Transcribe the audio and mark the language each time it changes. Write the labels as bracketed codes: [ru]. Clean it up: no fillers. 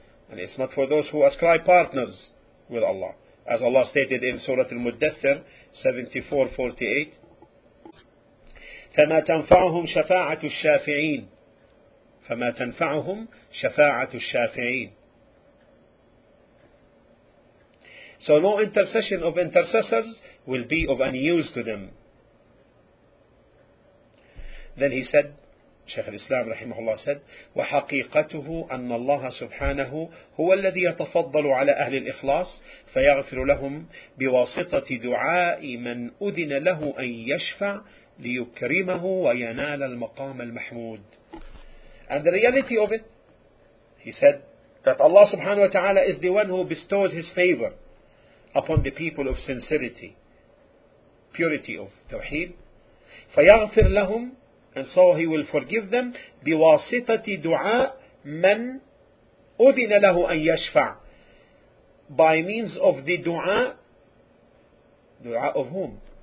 [en] And it's not for those who ascribe partners with Allah. As Allah stated in Surah Al-Muddathir 74:48, [ar] فَمَا تَنْفَعُهُمْ شَفَاعَةُ الشَّافِعِينَ. فَمَا تَنْفَعُهُمْ شَفَاعَةُ الشَّافِعِينَ. [en] So no intercession of intercessors will be of any use to them. Then he said, Shaykh al-Islam rahimahullah said, [ar] وَحَقِيقَتُهُ أَنَّ اللَّهَ سُبْحَانَهُ هُوَ الَّذِي يَتَفَضَّلُ عَلَى أَهْلِ الْإِخْلَاصِ فَيَغْفِرُ لَهُمْ بِوَاسِطَةِ دُعَاءِ مَنْ أُذِنَ لَهُ أَنْ يَشْفَعْ لِيُكْرِمَهُ وَيَنَالَ الْمَقَامَ الْمَحْمُودِ. [en] And the reality of it, he said, that Allah subhanahu wa ta'ala is the one who bestows his favor upon the people of sincerity, purity of tawheed. [ar] فَيَغْفِرْ لَهُمْ, [en] and so he will forgive them, [ar] بِوَاسِطَةِ دُعَاءِ مَنْ أُذِنَ لَهُ أَنْ يَشْفَعْ, [en] by means of the dua. Dua of whom?